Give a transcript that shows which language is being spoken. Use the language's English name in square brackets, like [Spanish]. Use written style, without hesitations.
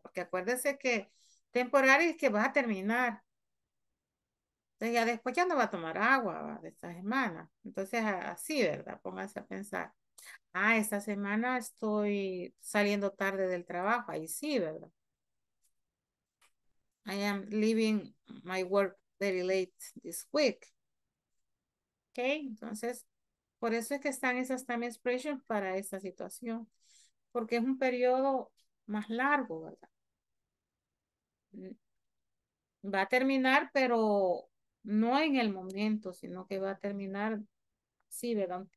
[Spanish] Porque acuérdese que temporario es que va a terminar. Entonces ya después ya no va a tomar agua, ¿verdad? De esta semana. Entonces así, ¿verdad? Póngase a pensar. Ah, esta semana estoy saliendo tarde del trabajo. Ahí sí, ¿verdad? [English] I am leaving my work very late this week. [Spanish] Okay, entonces, por eso es que están esas [English] time expressions [Spanish] para esta situación. Porque es un periodo más largo, ¿verdad? Va a terminar, pero no en el momento, sino que va a terminar, sí, ¿verdad?